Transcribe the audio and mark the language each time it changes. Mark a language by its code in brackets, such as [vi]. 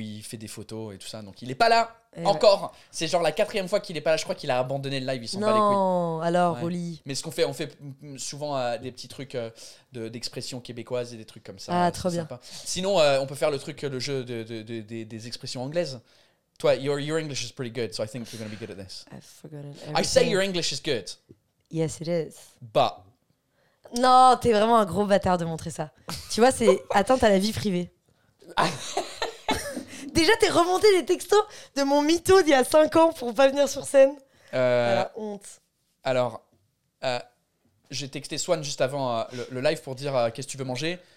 [fr] il fait des photos et tout ça. Donc, il n'est pas là et encore. Ouais. C'est genre la quatrième fois qu'il n'est pas là. Je crois qu'il a abandonné le live. Il s'en non, bat les couilles. Non, alors, ouais. Oli. Mais ce qu'on fait, on fait souvent des petits trucs d'expression québécoise et des trucs comme ça. Ah, trop bien. Sympa. Sinon, on peut faire le jeu des expressions anglaises. [en] Toi, your English is pretty good, so I think you're going to be good at this. I forgot it. Everything. I say your English is good. Yes, it is. But... [fr] Non, t'es vraiment un gros bâtard de montrer ça. Tu vois, c'est atteinte à la vie privée. Déjà, t'es remonté les textos de mon mytho d'il y a 5 ans pour pas venir sur scène. La honte. Alors, j'ai texté Swan juste avant le live pour dire qu'est-ce que tu veux manger.